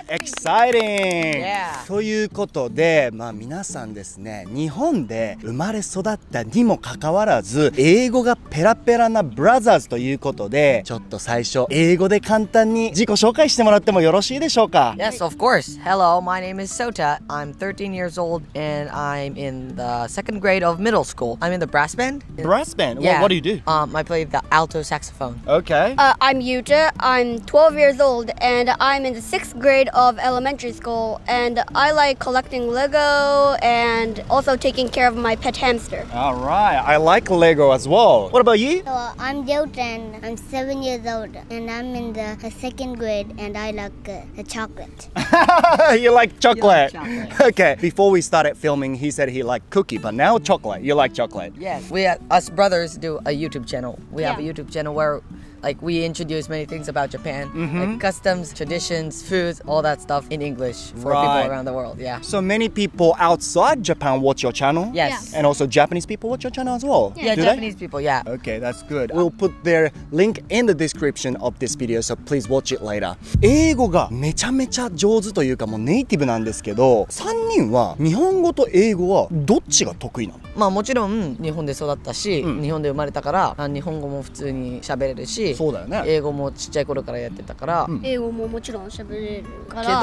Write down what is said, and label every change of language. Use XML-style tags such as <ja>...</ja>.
<en>Exciting! Yeah!</en> <ja>ということで、まあ皆さんですね、日本で生まれ育ったにもかかわらず英語がペラペラなブラザーズということで、ちょっと最初英語で簡単に自己紹介してもらってもよろしいでしょうか？</ja> <en>Yes, of course! Hello, my name is Sota. I'm 13 years old and I'm in the second grade of middle school. I'm in the brass band. Brass band? Well, yeah. What do you do? I play the alto saxophone. Okay. I'm Yuta. I'm 12 years old and I'm in the sixth grade of elementary school. And I like collecting Lego and also taking care of my pet hamster. All right. I like Lego as well. What about you? Hello, I'm Jotan. I'm 7 years old and I'm in the second grade and I like the chocolate. You like chocolate. You like chocolate. Okay. Before we started filming, he said he liked cookie, but now chocolate. You like chocolate. Yes. We, us brothers do a YouTube channel. We have a YouTube channel where like we introduce many things about Japan, like customs, traditions, foods, all that stuff in English for people around the world. Yeah. So many people outside Japan watch your channel? Yes. And also Japanese people watch your channel as well? Yeah, Japanese people, yeah. Okay, that's good. We'll put their link in the description of this video, so please watch it later.</en> <ja>英語がめちゃめちゃ上手というかもうネイティブなんですけど、3人は日本語と英語はどっちが得意なの？まあもちろん日本で育ったし、日本で生まれたから日本語も普通に喋れるし、そうだよね、英語もちっちゃい頃からやってたから、英語ももちろん喋れるから</ja>